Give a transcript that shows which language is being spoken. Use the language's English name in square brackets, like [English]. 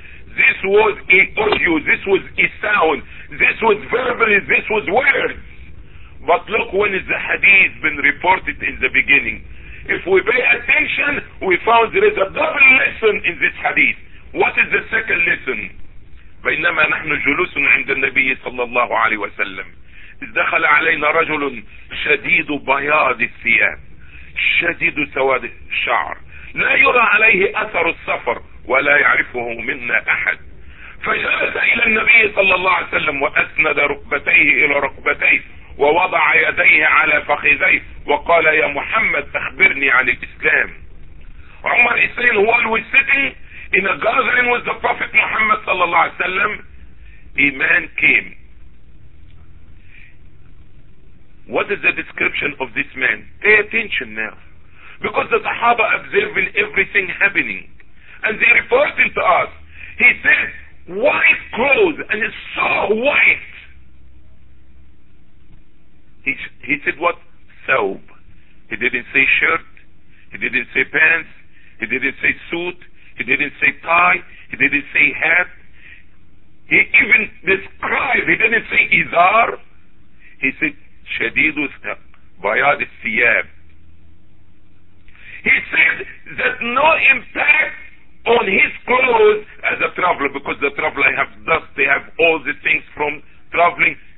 [English] This was a audio, this was a sound, this was verbally, this was words. But look, when is the hadith been reported in the beginning? If we pay attention, we found there is a double lesson in this hadith. What is the second lesson? [Arabic] بينما نحن جلوس عند النبي صلى الله عليه وسلم إذ دخل علينا رجل شديد بياض الثياب شديد سواد الشعر لا يرى عليه أثر السفر ولا يعرفه منا أحد. فجلس إلى النبي صلى الله عليه وسلم وأسند ركبتيه إلى ركبتيه ووضع يديه على فخذيه وقال يا محمد أخبرني عن الإسلام. عمر إسرين هو [English] was sitting in a gathering with the Prophet Muhammad [Arabic] صلى الله عليه وسلم. [English] A man came. What is the description of this man? Pay attention now. Because the Sahaba observing everything happening. And they reported to us. He said, white clothes, and it's so white. He said what? Thawb. He didn't say shirt. He didn't say pants. He didn't say suit. He didn't say tie. He didn't say hat. He even described, he didn't say izar. He said, [Arabic] شديد بياض الثياب. [English] He said that no impact on his clothes as a traveler, because the traveler have dust, they have all the things from traveling.